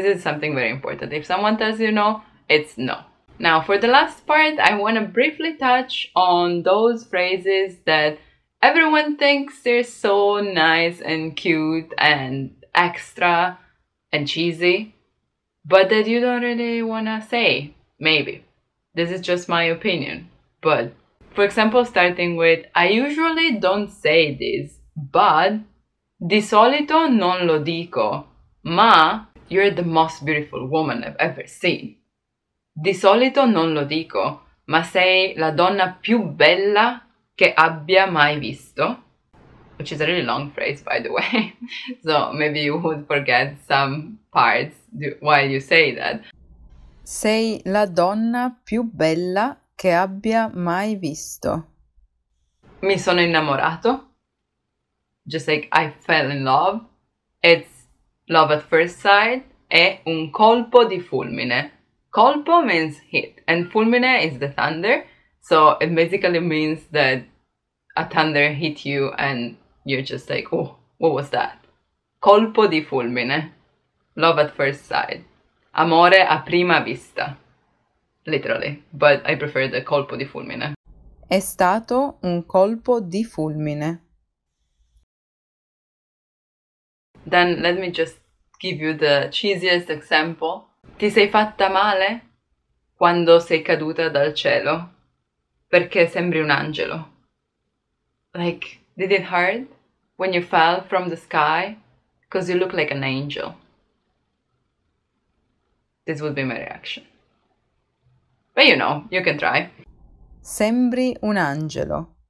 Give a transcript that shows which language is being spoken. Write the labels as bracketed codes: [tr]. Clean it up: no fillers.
[en] This is something very important. If someone tells you no, it's no. Now, for the last part, I want to briefly touch on those phrases that everyone thinks they're so nice and cute and extra and cheesy, but that you don't really want to say, maybe. This is just my opinion, but for example, starting with, I usually don't say this, but [it] di solito non lo dico, ma [en] you're the most beautiful woman I've ever seen. [it] Di solito non lo dico, ma sei la donna più bella che abbia mai visto. [en] Which is a really long phrase, by the way. So maybe you would forget some parts while you say that. [it] Sei la donna più bella che abbia mai visto. Mi sono innamorato. [en] Just like I fell in love. It's love at first sight. [it] È un colpo di fulmine. [en] Colpo means hit. And fulmine is the thunder. So it basically means that a thunder hit you and you're just like, oh, what was that? [it] Colpo di fulmine. [en] Love at first sight. [it] Amore a prima vista. [en] Literally, but I prefer the [it] colpo di fulmine. È stato un colpo di fulmine. [en] Then let me just give you the cheesiest example. [it] Ti sei fatta male quando sei caduta dal cielo? Perché sembri un angelo. [en] Like, did it hurt when you fell from the sky? Because you look like an angel. This would be my reaction. But you know, you can try. [it] Sembri un angelo.